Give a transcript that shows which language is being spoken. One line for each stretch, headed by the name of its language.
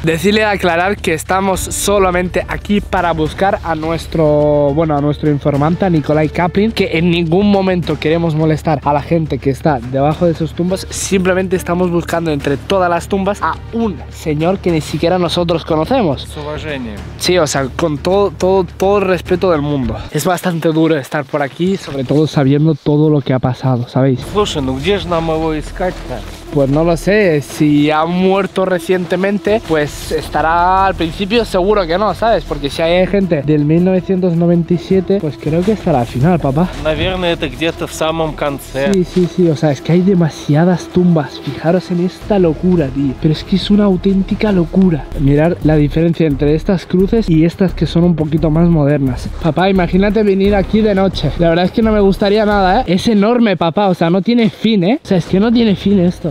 Spanish: Decirle a aclarar que estamos solamente aquí para buscar a nuestro, bueno, a nuestro informante, a Nikolai Kaplin, que en ningún momento queremos molestar a la gente que está debajo de sus tumbas. Simplemente estamos buscando entre todas las tumbas a un señor que ni siquiera nosotros conocemos. Sí, o sea, con todo el respeto del mundo. Es bastante duro estar por aquí, sobre todo sabiendo todo lo que ha pasado, ¿sabéis?
Russian: Слушай, ну где же нам его искать-то?
Spanish: Pues no lo sé, si ha muerto recientemente, pues estará al principio seguro que no, ¿sabes? Porque si hay gente del 1997, pues creo que estará al final, papá.
Russian: Наверное, это где-то в самом конце.
Spanish: Sí, sí, sí, o sea, es que hay demasiadas tumbas, fijaros en esta locura, tío. Pero es que es una auténtica locura. Mirar la diferencia entre estas cruces y estas que son un poquito más modernas. Papá, imagínate venir aquí de noche. La verdad es que no me gustaría nada, ¿eh? Es enorme, papá, o sea, no tiene fin, ¿eh? O sea, es que no tiene fin esto.